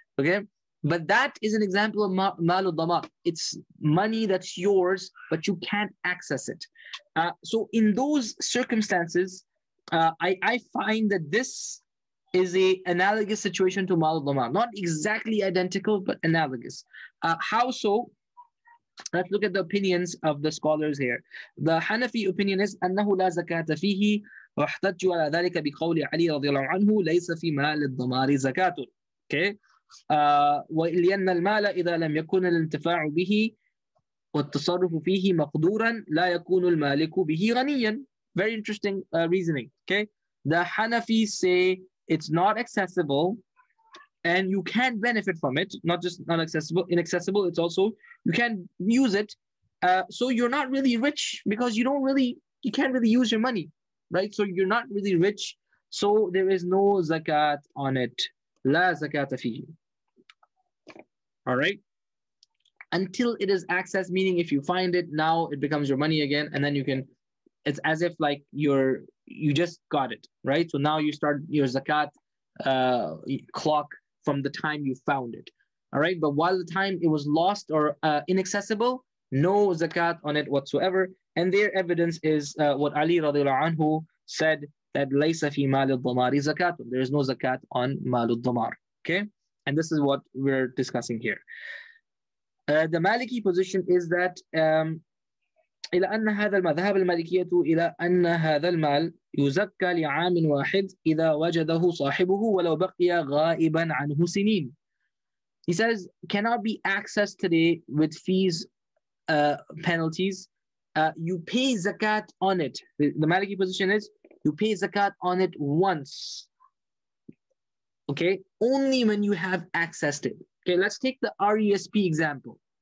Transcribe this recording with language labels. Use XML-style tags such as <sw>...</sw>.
<en>Okay, but that is an example of mal al-dama. It's money that's yours, but you can't access it. So in those circumstances, I find that this is a analogous situation to mal al-dama. Not exactly identical, but analogous. How so? Let's look at the opinions of the scholars here. The Hanafi opinion is</en> <ar>أنه لا زكاة فيه واحتج على ذلك بقول علي رضي الله عنه ليس في مال الضمار زكاة.</ar> <en>Okay.</en> <ar>ولأن المال إذا لم يكن الانتفاع به والتصرف فيه مقدورا لا يكون المالك به غنيا.</ar> <en>Very interesting reasoning. Okay. The Hanafi say it's not accessible and you can't benefit from it. Not just not accessible, inaccessible. It's also you can't use it. So you're not really rich because you can't really use your money, right? So you're not really rich. So there is no zakat on it.</en> <ar>La zakat fi.</ar> <en>All right. Until it is accessed, meaning if you find it, now it becomes your money again. And then you can, it's as if like you just got it, right? So now you start your zakat clock from the time you found it. All right, but while the time it was lost or inaccessible, no zakat on it whatsoever. And their evidence is what Ali radiallahu anhu said, that</en> <ar>laysa fi mal al-dhamari zakat.</ar> <en>There is no zakat on mal al-dhamar. Okay, and this is what we're discussing here. The Maliki position is that</en> <ar>إلى أن هذا المذهب المالكية إلى أن هذا المال يزكى لعام واحد إذا وجده صاحبه ولو بقي غائبا عنه سنين.</ar> <en>He says, cannot be accessed today with fees, penalties. You pay zakat on it. The Maliki position is, you pay zakat on it once. Okay? Only when you have accessed it. Okay, let's take the RESP example.</en>